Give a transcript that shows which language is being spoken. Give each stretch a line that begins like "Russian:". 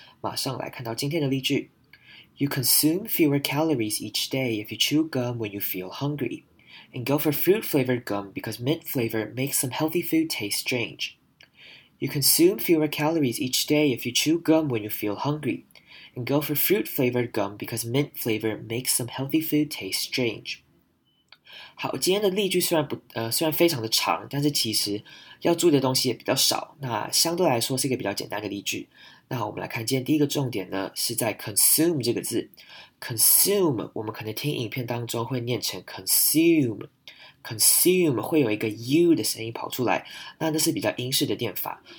Chinese: 马上来看到今天的例句。
English: You consume fewer calories each day if you chew gum when you feel hungry, and go for fruit-flavored gum because mint flavor makes some healthy food taste strange. You consume fewer calories each day if you chew gum when you feel hungry, and go for fruit-flavored gum because mint flavor makes some healthy food taste strange.
Chinese: 好，今天的例句虽然非常的长，但是其实要注意的东西也比较少，那相对来说是一个比较简单的例句。那我们来看今天第一个重点呢，是在 consume 这个字。 consume 我们可能听影片当中会念成 consume 会有一个 u 的声音跑出来，那是比较英式的念法。